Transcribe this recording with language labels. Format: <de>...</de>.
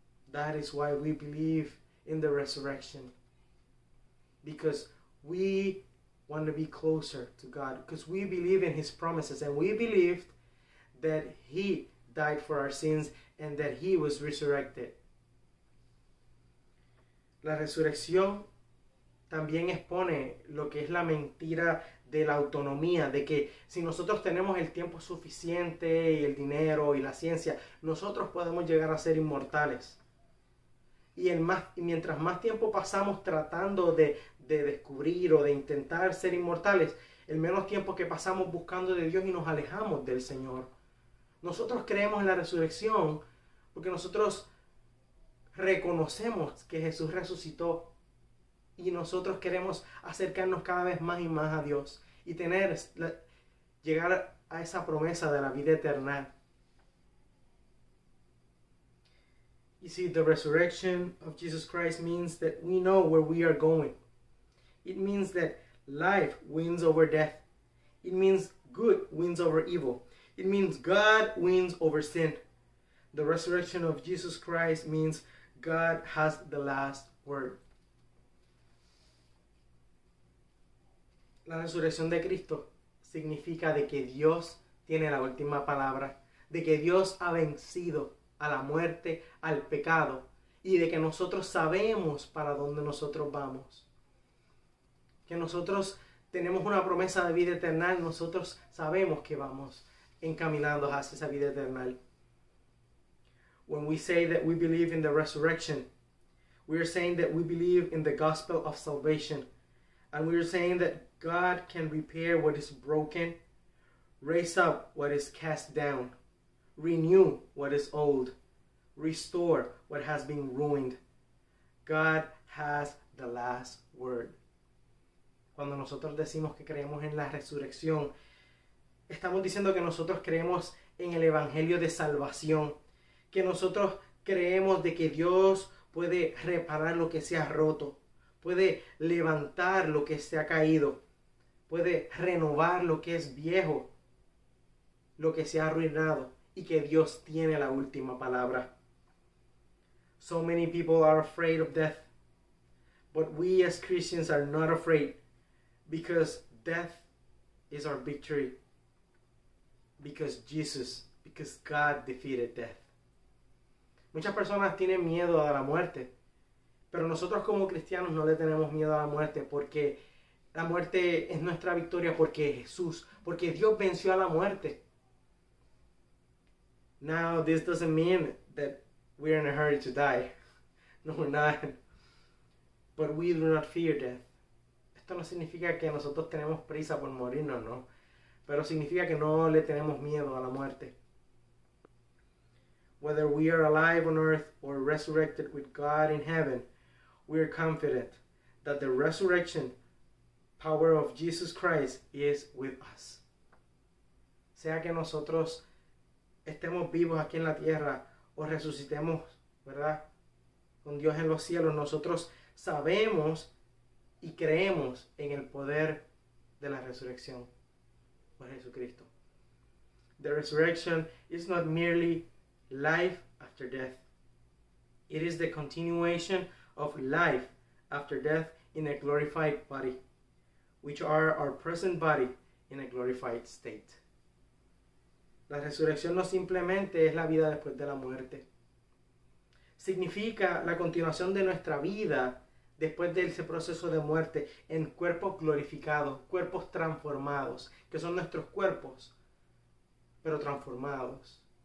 <en>That is why we believe in the resurrection. Because we want to be closer to God. Because we believe in His promises. And we believed that He died for our sins and that He was resurrected.</en> <es>La resurrección también expone lo que es la mentira de la autonomía, de que si nosotros tenemos el tiempo suficiente y el dinero y la ciencia, nosotros podemos llegar a ser inmortales. Y mientras más tiempo pasamos tratando de descubrir o de intentar ser inmortales, el menos tiempo que pasamos buscando de Dios y nos alejamos del Señor. Nosotros creemos en la resurrección porque nosotros reconocemos que Jesús resucitó. Y nosotros queremos acercarnos cada vez más y más a Dios y llegar a esa promesa de la vida eterna.</es> <en>You see, the resurrection of Jesus Christ means that we know where we are going. It means that life wins over death. It means good wins over evil. It means God wins over sin. The resurrection of Jesus Christ means God has the last word.</en> <es>La resurrección de Cristo significa de que Dios tiene la última palabra, de que Dios ha vencido a la muerte, al pecado, y de que nosotros sabemos para dónde nosotros vamos. Que nosotros tenemos una promesa de vida eterna, nosotros sabemos que vamos encaminados hacia esa vida eterna.</es> <en>When we say that we believe in the resurrection, we are saying that we believe in the gospel of salvation, and we are saying that God can repair what is broken, raise up what is cast down, renew what is old, restore what has been ruined. God has the last word.</en> <es>Cuando nosotros decimos que creemos en la resurrección, estamos diciendo que nosotros creemos en el evangelio de salvación, que nosotros creemos de que Dios puede reparar lo que se ha roto, puede levantar lo que se ha caído. Puede renovar lo que es viejo, lo que se ha arruinado, y que Dios tiene la última palabra.</es> <en>So many people are afraid of death, but we as Christians are not afraid, because death is our victory, because God defeated death.</en> <es>Muchas personas tienen miedo a la muerte, pero nosotros como cristianos no le tenemos miedo a la muerte porque la muerte es nuestra victoria porque Jesús, porque Dios venció a la muerte.</es> <en>Now, this doesn't mean that we're in a hurry to die. No, we're not. But we do not fear death.</en> <es>Esto no significa que nosotros tenemos prisa por morirnos, no. Pero significa que no le tenemos miedo a la muerte.</es> <en>Whether we are alive on earth or resurrected with God in heaven, we are confident that the resurrection power of Jesus Christ is with us.</en> <es>Sea que nosotros estemos vivos aquí en la tierra o resucitemos, ¿verdad? Con Dios en los cielos, nosotros sabemos y creemos en el poder de la resurrección por Jesucristo.</es> <en>The resurrection is not merely life after death. It is the continuation of life after death in a glorified body, which are our present body in a glorified state.</en> <es>La resurrección no simplemente es la vida después de la muerte. Significa la continuación de nuestra vida después de ese proceso de muerte en cuerpos glorificados, cuerpos transformados, que son nuestros cuerpos, pero transformados.</es>